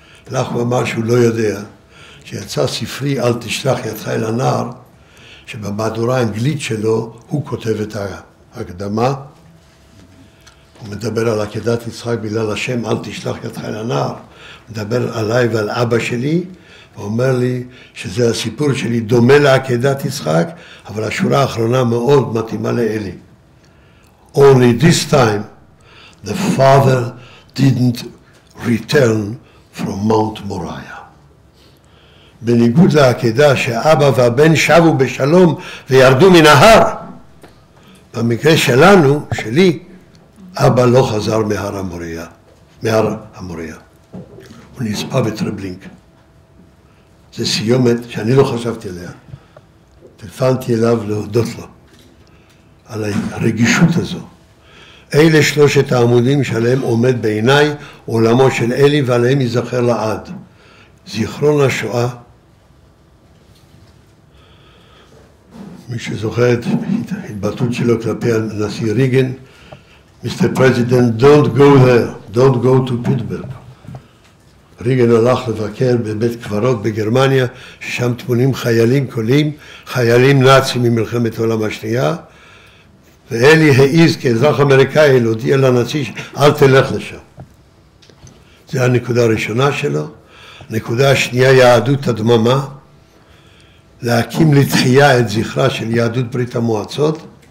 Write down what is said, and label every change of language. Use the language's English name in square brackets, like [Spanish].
[Hebrew] לך הוא אמר שהוא לא יודע, שיצא ספרי אל תשלח ידך אל הנער, שבמהדורה האנגלית שלו הוא כותב את ההקדמה, הוא מדבר על עקדת יצחק בגלל השם אל תשלח ידך אל הנער, מדבר עליי ועל אבא שלי, ואומר לי שזה הסיפור שלי דומה לעקדת יצחק, אבל השורה האחרונה מאוד מתאימה לאלי. [English] Only this time the father didn't return from Mount Moriah. [Hebrew] בניגוד לעקדה שאבא והבן שבו בשלום וירדו מן ההר, במקרה שלנו, שלי, אבא לא חזר מהר המוריה, מהר המוריה. הוא נספה בטרבלינק. זה סיומת שאני לא חשבתי עליה. טלפנתי אליו להודות לו על הרגישות הזו. אלה שלושת העמודים שעליהם עומד בעיניי עולמו של אלי, ועליהם יזכר לעד. זיכרון השואה, מי שזוכר את התבטאות שלו כלפי הנשיא ריגן, [English] Mr. President, don't go there, don't go to Pittsburgh. [Hebrew] ריגן הלך לבקר בבית קברות בגרמניה, ששם טמונים חיילים קולים, חיילים נאצים ממלחמת העולם השנייה, ואלי העיז כאזרח אמריקאי להודיע לנשיא, אל תלך לשם. זו הנקודה הראשונה שלו. הנקודה השנייה, יהדות הדממה, להקים לתחייה את זכרה של יהדות ברית המועצות.